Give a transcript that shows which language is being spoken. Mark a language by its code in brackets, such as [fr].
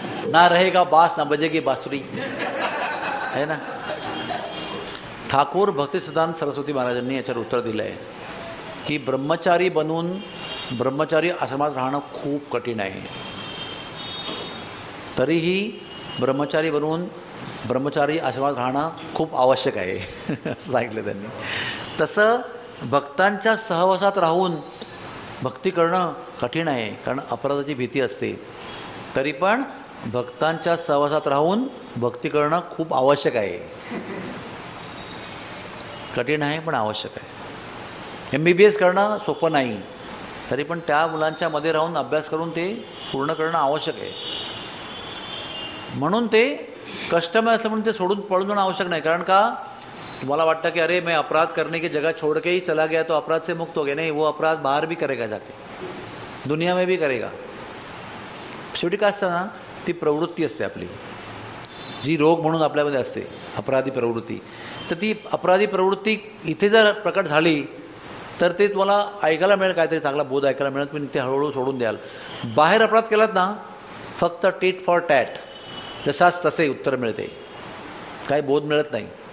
[hi] ना रहेगा बास ना बजेगी बासुरी, है ना. [mr] ठाकूर भक्तिसिद्धांत सरस्वती महाराजांनी याच्यावर उत्तर दिलं आहे की ब्रह्मचारी बनून ब्रह्मचारी आश्रमात राहणं खूप कठीण आहे, तरीही ब्रह्मचारी बनून ब्रह्मचारी आश्रमात राहणं खूप आवश्यक आहे असं सांगितलं त्यांनी. तसं भक्तांच्या सहवासात राहून भक्ती करणं कठीण आहे कारण अपराधाची भीती असते, तरी पण भक्तांच्या सहवासात राहून भक्ती करणं खूप आवश्यक आहे. कठीण आहे पण आवश्यक आहे. MBBS करणं सोपं नाही, तरी पण त्या मुलांच्या मध्ये राहून अभ्यास करून ते पूर्ण करणं आवश्यक आहे. म्हणून ते कष्टमय असं म्हणून ते सोडून पळून जाणं आवश्यक नाही. कारण का तुम्हाला वाटतं की [hi] अरे मैं अपराध करणे की जगात छोड के ही चला गया तो अपराध से मुक्त हो गया, [mr] नाही, [hi] वो अपराध बाहेर भी करेगा जाके, दुनिया में भी करेगा. [mr] शेवटी काय असतं ना, ती प्रवृत्ती असते आपली, जी रोग म्हणून आपल्यामध्ये असते अपराधी प्रवृत्ती, तर ती अपराधी प्रवृत्ती इथे जर प्रकट झाली तर ते तुम्हाला ऐकायला मिळेल, काहीतरी चांगला बोध ऐकायला मिळेल, तुम्ही ते हळूहळू सोडून द्याल. बाहेर अपराध केलात ना फक्त टीट फॉर टॅट, जसाच तसे उत्तर मिळते, काही बोध मिळत नाही.